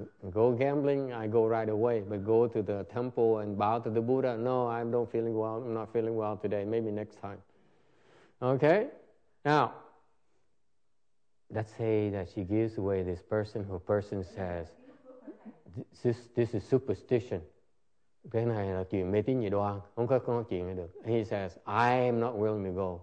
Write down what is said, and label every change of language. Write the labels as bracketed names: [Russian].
[English] Go gambling, I go right away. But go to the temple and bow to the Buddha. No, I'm not feeling well. I'm not feeling well today. Maybe next time. Okay. Now, let's say that she gives away this person. Who person says, this is superstition. [Vietnamese] Cái này là chuyện mê tín dị đoan, không có chuyện này được. [English] He says, I am not willing to go.